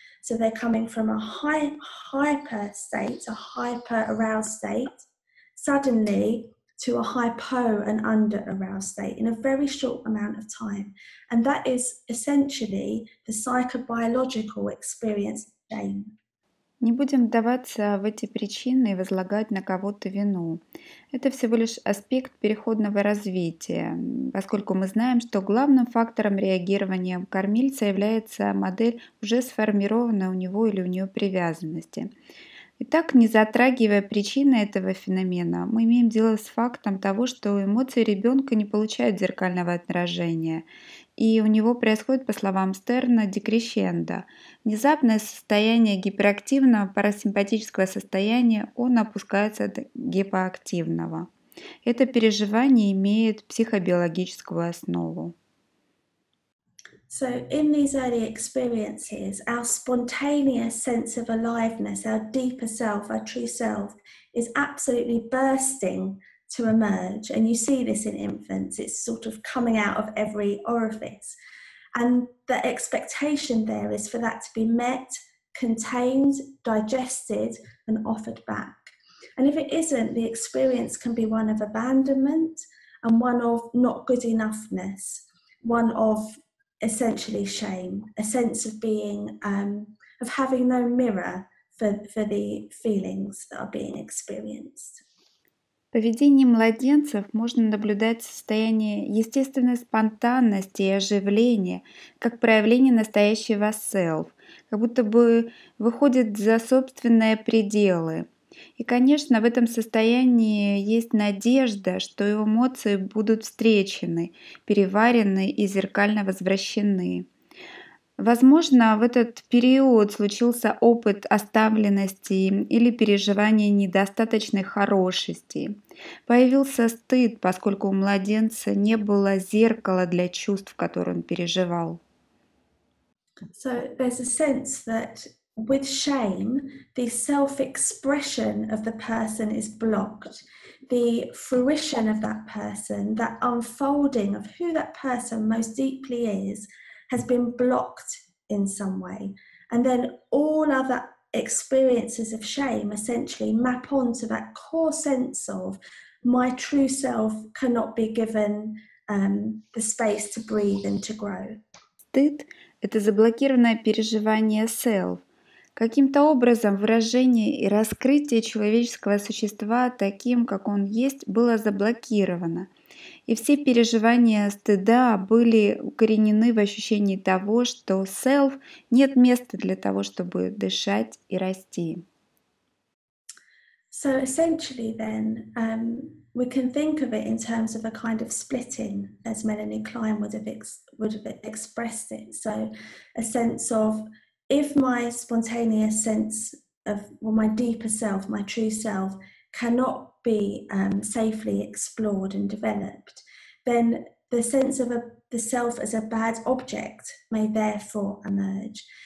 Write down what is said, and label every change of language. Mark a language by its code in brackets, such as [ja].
[en] So they're coming from a hyper state, a hyper aroused state, suddenly to a hypo and under aroused state in a very short amount of time. And that is essentially the psychobiological experience of shame. [ru] Не будем вдаваться в эти причины и возлагать на кого-то вину. Это всего лишь аспект переходного развития, поскольку мы знаем, что главным фактором реагирования кормильца является модель уже сформированной у него или у нее привязанности. Итак, не затрагивая причины этого феномена, мы имеем дело с фактом того, что эмоции ребенка не получают зеркального отражения. И у него происходит, по словам Стерна, декрещендо. Внезапное состояние гиперактивного парасимпатического состояния, он опускается до гипоактивного. Это переживание имеет психобиологическую основу. [en] So in these early experiences, our spontaneous sense of aliveness, our deeper self, our true self, is absolutely bursting to emerge. And you see this in infants. It's sort of coming out of every orifice. And the expectation there is for that to be met, contained, digested, and offered back. And if it isn't, the experience can be one of abandonment and one of not good enoughness, one of essentially shame, a sense of being, of having no mirror for the feelings that are being experienced. [ru] В поведении младенцев можно наблюдать состояние естественной спонтанности и оживления, как проявление настоящего self, как будто бы выходит за собственные пределы. И, конечно, в этом состоянии есть надежда, что эмоции будут встречены, переварены и зеркально возвращены. Возможно, в этот период случился опыт оставленности или переживания недостаточной хорошести. Появился стыд, поскольку у младенца не было зеркала для чувств, которые он переживал. [en] So there's a sense that with shame, the self-expression of the person is blocked. The fruition of that person, that unfolding of who that person most deeply is, has been blocked in some way. And then all other experiences of shame essentially map onto that core sense of my true self cannot be given the space to breathe and to grow. [ru] Стыд – это заблокированное переживание self. Каким-то образом выражение и раскрытие человеческого существа таким, как он есть, было заблокировано. И все переживания стыда были укоренены в ощущении того, что self нет места для того, чтобы дышать и расти. [en] So essentially then, we can think of it in terms of a kind of splitting, as Melanie Klein would have expressed it. So a sense of if my spontaneous sense of my deeper self, my true self, cannot be safely explored and developed, then the sense of the self as a bad object may therefore emerge.